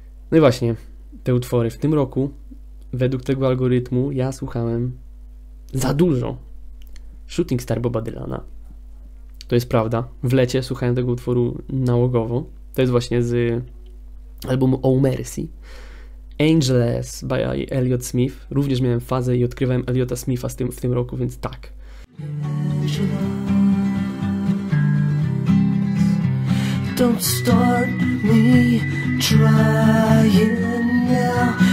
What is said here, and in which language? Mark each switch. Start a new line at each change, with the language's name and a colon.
Polish: No i właśnie, te utwory w tym roku, według tego algorytmu, ja słuchałem za dużo Shooting Star Boba Dylana. To jest prawda. W lecie słuchałem tego utworu nałogowo. To jest właśnie z albumu Oh Mercy.
English: Angeles by Elliot Smith.
Polish: Również miałem fazę i odkrywałem Elliota Smitha w tym roku, więc tak.
English: Don't start me trying now.